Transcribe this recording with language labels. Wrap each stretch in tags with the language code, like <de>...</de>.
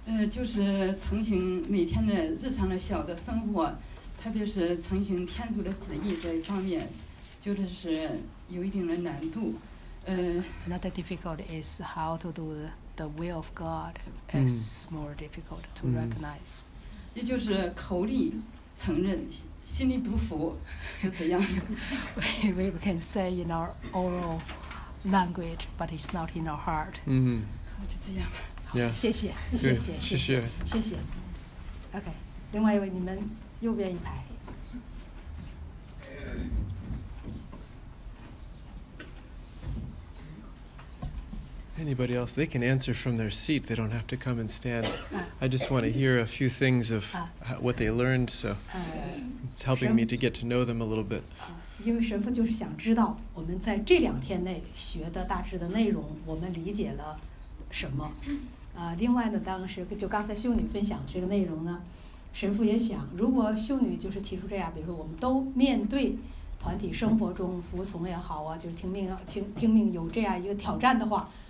<zh>就是曾经每天的日常的小的生活，特别是曾经天主的旨意这一方面，就是有一定的难度。</zh> <en>Another difficulty is how to do the will of God is more difficult to recognize.</en> <zh>也就是口里承认。心里不服，就这样。</zh> <en>We can say in our oral language, but it's not in our heart. 嗯、mm-hmm. ，</en> <zh>就这样。</zh> <en>Yeah.</en> <zh>谢谢，谢谢，谢谢，谢谢。 OK， 另外一位，你们右边一排。</zh> <en>Anybody else? They can answer from their seat. They don't have to come and stand. I just want to hear a few things of what they learned, so it's helping me to get to know them a little bit.</en> <zh>因为神父就是想知道我们在这两天内学的大致的内容，我们理解了什么。另外呢，当时就刚才修女分享这个内容呢，神父也想，如果修女就是提出这样，比如说我们都面对团体生活中服从也好啊，就是听命有这样一个挑战的话。</zh>